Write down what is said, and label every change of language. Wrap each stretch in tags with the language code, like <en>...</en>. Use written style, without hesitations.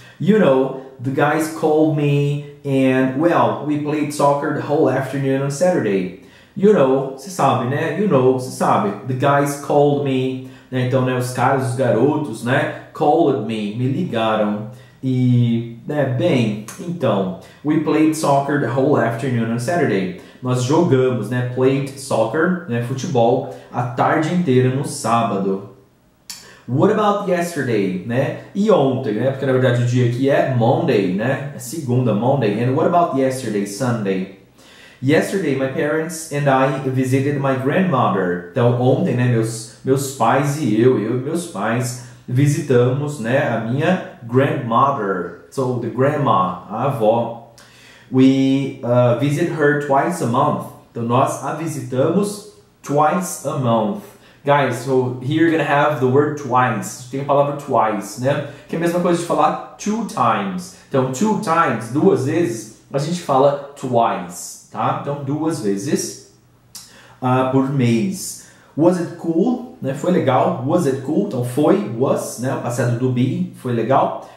<en>You know, the guys called me and, well, we played soccer the whole afternoon on Saturday. You know,</en> <pt>você sabe, né? You know, você sabe.</pt> <en>The guys called me.</en> <pt>Então, né, os caras, os garotos, né,</pt> <en>called me</en> <pt>ligaram. E, né, bem, então,</pt> <en>we played soccer the whole afternoon on Saturday.</en> <pt>Nós jogamos, né,</pt> <en>played soccer,</en> <pt>né, futebol, a tarde inteira no sábado.</pt> <en>What about yesterday,</en> <pt>né, e ontem, né, porque na verdade o dia aqui é Monday, né, é segunda, Monday.</pt> <en>And what about yesterday, Sunday? Yesterday, my parents and I visited my grandmother.</en> <pt>Então, ontem, né, meus pais e eu e meus pais visitamos, né, a minha grandmother.</pt> <en>So, the grandma,</en> <pt>a avó.</pt> <en>We visit her twice a month.</en> <pt>Então, nós a visitamos</pt> <en>twice a month. Guys, so here you're gonna have the word twice.</en> <pt>Tem a palavra twice, né? Que é a mesma coisa de falar</pt> <en>two times.</en> <pt>Então,</pt> <en>two times,</en> <pt>duas vezes, a gente fala twice. Tá? Então, duas vezes por mês.</pt> <en>Was it cool?</en> <pt>Né? Foi legal.</pt> <en>Was it cool?</en> <pt>Então, foi, was, né? O passado do be, foi legal.</pt>